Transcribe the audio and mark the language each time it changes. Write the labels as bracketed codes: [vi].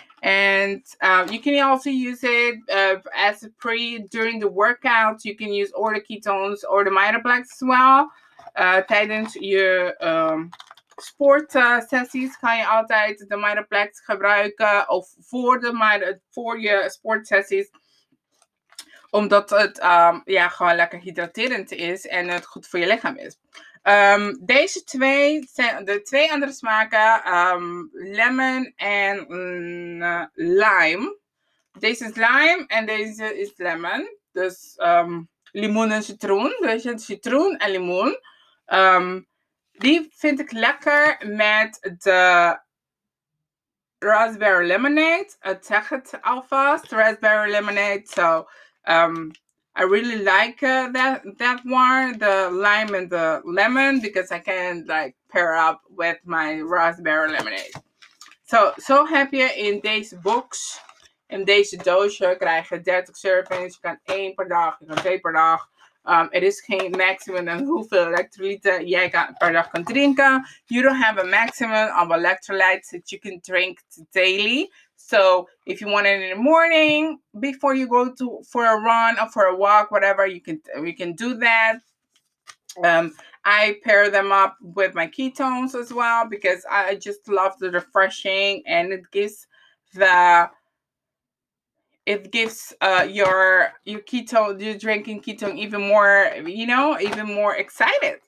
[en] And you can also use it as a pre during the workout. You can use or the ketones or the Mitoplex as well. [nl] Tijdens je sport sessies kan je altijd de Mitoplex gebruiken of voor je sport sessies, omdat het gewoon lekker hydraterend is en het goed voor je lichaam is. Deze twee zijn de twee andere smaken, lemon en lime. Deze is lime en deze is lemon. Dus limoen en citroen. Weet je, citroen en limoen. Die vind ik lekker met de raspberry lemonade. Ik zeg het alvast, raspberry lemonade. [en] So, I really like that one, the lime and the lemon, because I can like pair up with my raspberry lemonade. So happy [nl] in deze [en] box. [nl] In deze doosje krijg je 30 servings. Je kan 1 per dag, je kan 2 per dag. Het is geen maximum aan hoeveel elektrolyten jij per dag kan drinken. [en] You don't have a maximum of electrolytes that you can drink daily. So if you want it in the morning, before you go to for a run or for a walk, whatever, you can do that. I pair them up with my ketones as well, because I just love the refreshing, and it gives your keto, your drinking ketone even more, you know, even more excited.